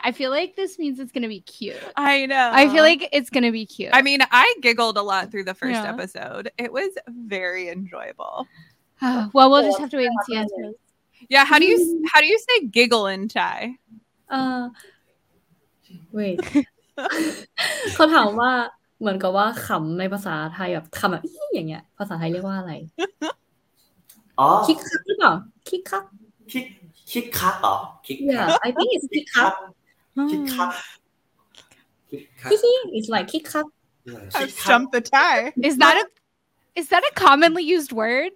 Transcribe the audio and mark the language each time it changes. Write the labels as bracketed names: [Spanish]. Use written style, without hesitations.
[English] I feel like this means it's going to be cute. I know. I feel like it's going to be cute. I mean, I giggled a lot through the first episode. It was very enjoyable. Well, we'll just have to wait and see. Yeah. Yeah, how do you say giggle in Thai? Wait. [Thai] เขาถามว่าเหมือนกับว่าขำในภาษาไทยแบบขำแบบอย่างเงี้ยภาษาไทยเรียกว่าอะไร อ๋อ คิกคักหรือเปล่าคิกคัก คิกคักเหรอคิก [English] คัก Yeah, I think it's คิกคัก [Thai] คิกคัก [English] hehe, it's like คิกคัก I've jumped the Thai. Is that a commonly used word?